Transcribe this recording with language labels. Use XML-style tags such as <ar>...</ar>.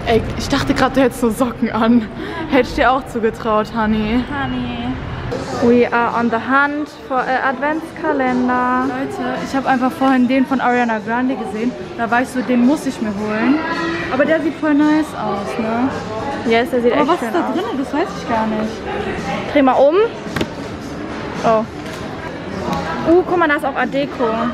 <de>Ey, ich dachte gerade, du hättest nur Socken an. Hätte ich dir auch zugetraut, Honey.</de> <en>We are on the hunt for a Adventskalender.</en> <de>Leute, ich habe einfach vorhin den von Ariana Grande gesehen. Da war ich so, den muss ich mir holen. Aber der sieht voll nice aus, ne?</de> <en>Yes,</en> <de>der sieht aber echt schön aus. Aber was ist da drin? Das weiß ich gar nicht. Dreh mal um. Oh. Guck mal, da ist auch Art Deco.</de>